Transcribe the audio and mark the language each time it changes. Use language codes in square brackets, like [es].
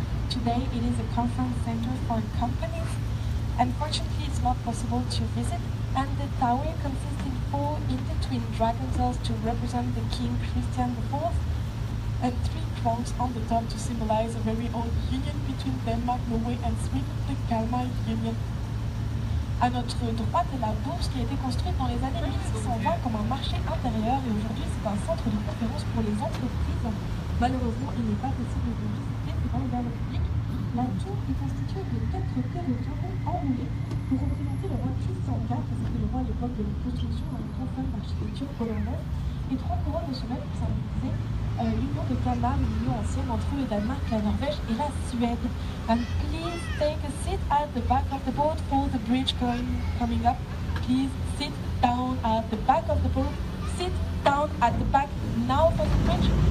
[en] Today, it is a conference center for companies. Unfortunately, it's not possible to visit, and the tower consists in four intertwined dragon cells to represent the King Christian IV, and three crowns on the top to symbolize a very old union between Denmark, Norway and Sweden, the Kalmar Union. [fr] À notre droite est la bourse qui a été construite dans les années 1620 comme un marché intérieur et aujourd'hui c'est un centre de conférence pour les entreprises. Malheureusement, il n'est pas possible de visiter devant le bal public. La tour est constituée de quatre tours de carreaux enroulés pour représenter le roi Christian IV, parce que le roi à l'époque de la construction a une grande fan d'architecture hollandaise, et trois couronnes de sommet pour symboliser l'union de Kalmar, l'union ancienne entre le Danemark, la Norvège et la Suède. [en] And please take a seat at the back of the boat for the bridge coming up. Please sit down at the back of the boat. Sit down at the back now for the bridge.